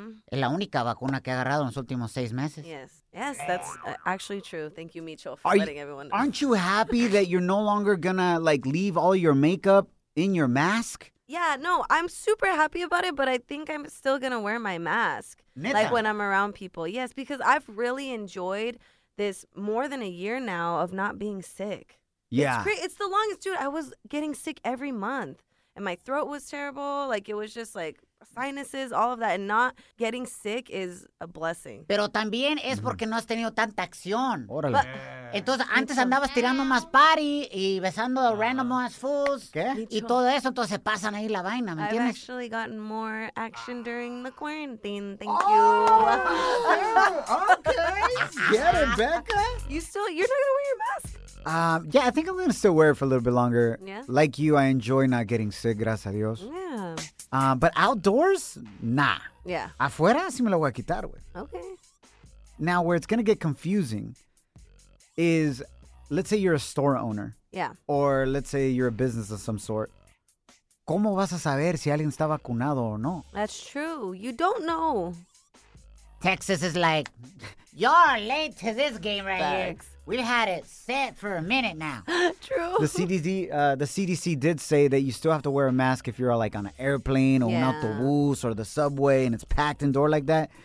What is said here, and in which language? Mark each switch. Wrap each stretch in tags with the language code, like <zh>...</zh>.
<es>Es la única vacuna que he agarrado en los últimos seis meses.</es> <en>Yes. Yes, that's actually true. Thank you, Micho, for letting everyone know. Aren't you happy that you're no longer gonna, like, leave all your makeup in your mask? Yeah, no, I'm super happy about it, but I think I'm still gonna wear my mask.</en> <es>¿Neta?</es> <en>Like, when I'm around people. Yes, because I've really enjoyed this more than a year now of not being sick. Yeah. It's the longest, dude. I was getting sick every month and my throat was terrible. Like, it was just like sinuses, all of that. And not getting sick is a blessing.</en> <es>Pero también es porque no has tenido tanta acción. Órale. But, entonces, antes andabas tirando más party y besando</es> <en>random ass fools.</en> <es>¿Qué? Y todo eso, entonces se pasan ahí la vaina, ¿me entiendes?</es> <en>I've actually gotten more action during the quarantine. Thank you. Okay. Get it, Becca. You're not going to wear your mask. Yeah, I think I'm going to still wear it for a little bit longer. Yeah. Like you, I enjoy not getting sick,</en> <es>gracias a Dios.</es> <en>Yeah. But outdoors, nah. Yeah.</en> <es>Afuera, sí me lo voy a quitar, güey.</es> <en>Okay. Now, where it's going to get confusing is, let's say you're a store owner. Yeah. Or let's say you're a business of some sort.</en> <es>¿Cómo vas a saber si alguien está vacunado o no?</es> <en>That's true. You don't know. Texas is like, y'all late to this game right Facts. Here. We've had it set for a minute now. True. The CDC did say that you still have to wear a mask if you're like on an airplane or an autobus or the subway and it's packed indoor like that.</en>